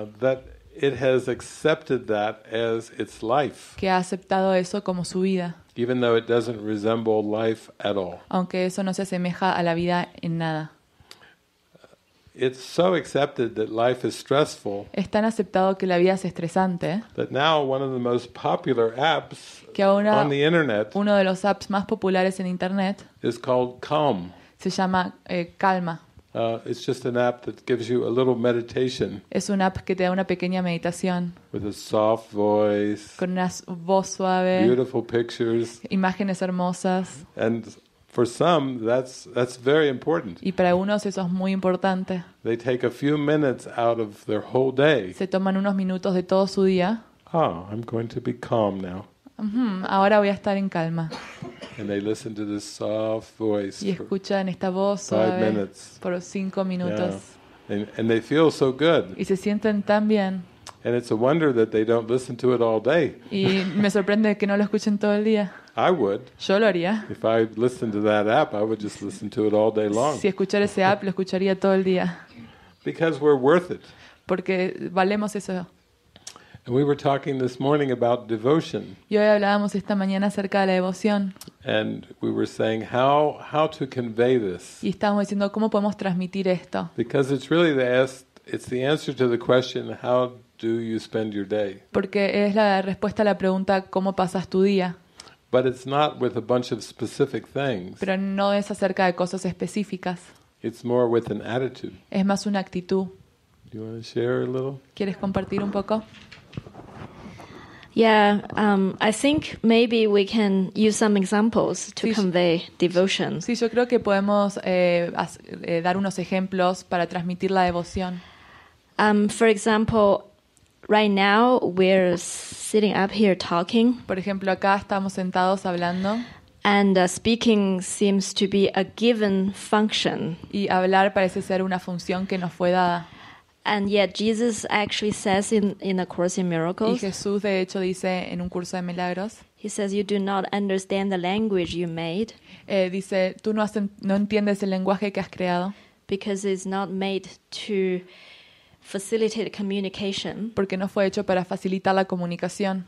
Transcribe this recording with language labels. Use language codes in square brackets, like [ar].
[en] That it has accepted that as its life. [es] Que ha aceptado eso como su vida. [en] Even though it doesn't resemble life at all. [es] Aunque eso no se asemeja a la vida en nada. [en] It's so accepted that life is stressful. [es] Es tan aceptado que la vida es estresante. [en] That now one of the most popular apps on the internet. [es] Uno de los apps más populares en internet. [en] Is called Calm. [es] Se llama Calma. [en] It's just an app that gives you a little meditation. [es] Es una app que te da una pequeña meditación. [en] With a soft voice. [es] Con una voz suave. [en] Beautiful pictures. [es] Imágenes hermosas. [en] And for some, that's very important. [es] Y para algunos eso es muy importante. [en] They take a few minutes out of their whole day. [es] Se toman unos minutos de todo su día. [en] Oh, I'm going to be calm now. [es] Ahora voy a estar en calma. [en] And they listen to this soft voice. [es] Y escuchan esta voz suave por 5 minutos. [en] Yeah. And they feel so good. [es] Y se sienten tan bien. [en] And it's a wonder that they don't listen to it all day. [es] Y me sorprende que no lo escuchen todo el día. [en] I would. [es] Yo lo haría. [en] If I listened to that app, I would just listen to it all day long. [es] Si escuchara ese app, lo escucharía todo el día. [en] Because we're worth it. [es] Porque valemos eso. [en] And we were talking this morning about devotion. [es] Y hoy hablábamos esta mañana acerca de la devoción. [en] And we were saying how to convey this. [es] Y estábamos diciendo cómo podemos transmitir esto. [en] Because it's really the answer to the question, how do you spend your day? [es] Porque es la respuesta a la pregunta, ¿cómo pasas tu día? [en] But it's not with a bunch of specific things. [es] Pero no es acerca de cosas específicas. [en] It's more with an attitude. [es] Es más una actitud. [en] Do you want to share a little? [es] ¿Quieres compartir un poco? [en] Yeah, I think maybe we can use some examples to convey devotion. [es] Sí, yo creo que podemos dar unos ejemplos para transmitir la devoción. [en] For example, right now we're sitting up here talking. [es] Por ejemplo, acá estamos sentados hablando. [en] And speaking seems to be a given function. [es] Y hablar parece ser una función que nos fue dada. [en] And yet Jesus actually says in A Course in Miracles. [es] Y Jesús de hecho dice en un curso de milagros. [en] He says you do not understand the language you made. [es] Dice tú no entiendes el lenguaje que has creado. [en] Because it's not made to facilitate communication. [es] Porque no fue hecho para facilitar la comunicación.